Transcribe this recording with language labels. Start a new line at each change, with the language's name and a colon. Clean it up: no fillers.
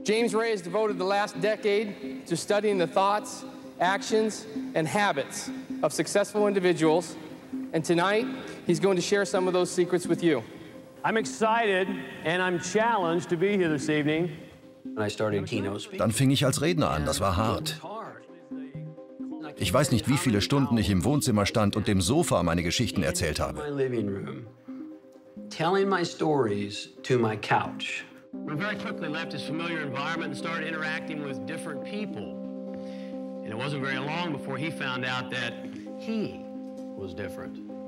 English: James Ray has devoted the last decade to studying the thoughts, actions, and habits of successful individuals. And tonight, he's going to share some of those secrets with you. I'm excited and I'm challenged to be here this evening. And I started keynote speaking.
German: Dann fing ich als Redner an, das war hart. Ich weiß nicht, wie viele Stunden ich im Wohnzimmer stand und dem Sofa meine Geschichten erzählt habe.
English: Telling my stories to my couch. We very quickly left his familiar environment and started interacting with different people. And it wasn't very long before he found out that he was different.